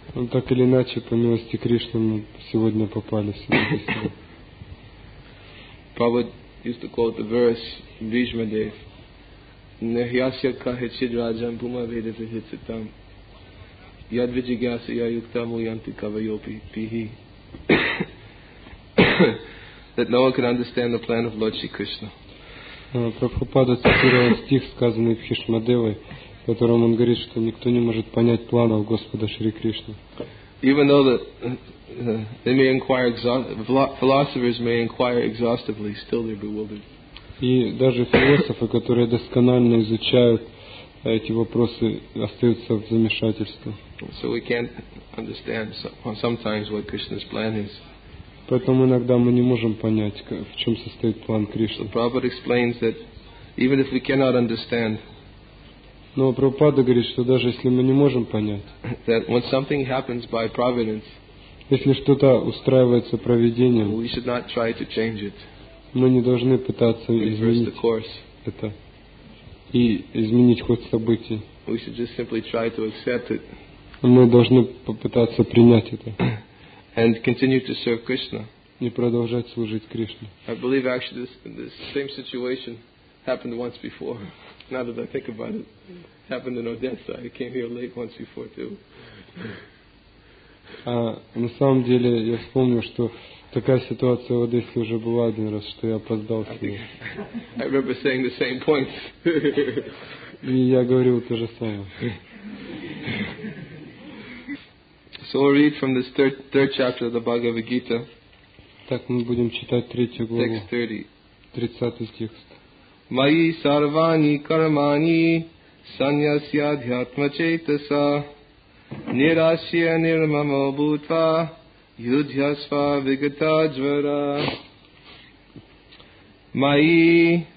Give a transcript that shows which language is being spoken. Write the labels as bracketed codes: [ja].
[ru] Так или иначе, по милости Кришны, мы сегодня попали сюда. [en] Prabhupada used to quote the verse in Bhishma Dev. [sa] Nehyasya kahechid rajam puma veda vihitsitam. Yadvijigyasya yuktamu yanti kavayopi pihi. [en] That no one can understand the plan of Lord Shri Krishna. [ru] Prabhupada цитировал стих, сказанный в Хишмадеве, в котором он говорит, что никто не может понять планов Господа Шри Кришны. [en] Even though they may inquire, philosophers may inquire exhaustively, still they're bewildered. [ru] И даже философы, которые досконально изучают эти вопросы, остаются в замешательстве. [en] So we can't understand sometimes what Krishna's plan is. [ru] Поэтому иногда мы не можем понять, в чем состоит план Кришны. [en] Prabhupada explains that even if we cannot understand. [ru] Но Прабхупада говорит, что даже если мы не можем понять, [en] that when something happens by providence, [ru] если что-то устраивается провидением, [en] we should not try to change it. [ru] Мы не должны пытаться изменить это и изменить ход событий. [en] We should just simply try to accept it. [ru] Мы должны попытаться принять это. [en] And continue to serve Krishna. [ru] И продолжать служить Кришне. [en] I believe actually this same situation happened once before. Now that I think about it, happened in Odessa. I came here late once before too. [ru] На самом деле я вспомнил, что такая ситуация в Одессе уже была один раз, что я опоздал с ней. [en] I remember saying the same points. [ru] И я говорил то же самое. [en] So we'll read from this third chapter of the Bhagavad Gita. [ru] Так мы будем читать третью главу. [en] Text 30. [ru] 30 стих. [sa] Mayi sarvani karmani sanyasya dhyatma cetasa nirashya nirmamo bhutva yudhyasva vigata jvara. Mayi.